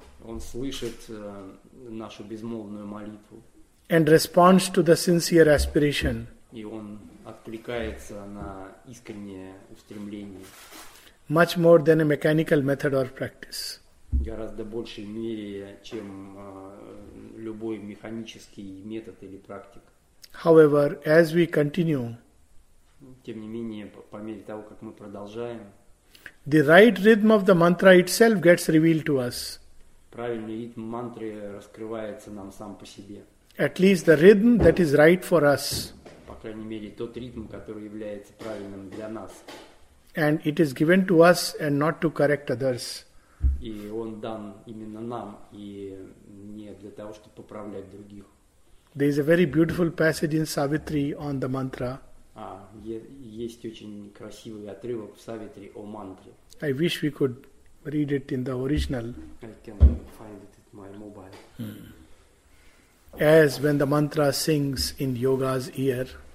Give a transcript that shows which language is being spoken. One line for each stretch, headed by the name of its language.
Russian: Он слышит нашу безмолвную молитву.
English: And responds to the sincere aspiration.
Russian: И он откликается на искреннее устремление.
English: Much more than a mechanical method or practice.
Russian: Гораздо большей мере, чем любой механический метод или практик.
English: However, as we continue,
Russian: тем не менее, по мере того, как мы продолжаем,
English: the right rhythm of the mantra itself gets revealed to us.
Russian: Правильный ритм мантры раскрывается нам сам по себе.
English: At least the rhythm that is right for us.
Russian: По крайней мере, тот ритм, который является правильным для нас.
English: And it is given to us and not to correct others.
Russian: И он дан именно нам, и не для того, чтобы поправлять других.
English: There is a very beautiful passage in Savitri on the mantra.
Russian: А, есть очень красивый отрывок в Савитри о мантре.
English: I wish we could read it in the original. I can find it in my mobile. As when the mantra sings in yoga's ear.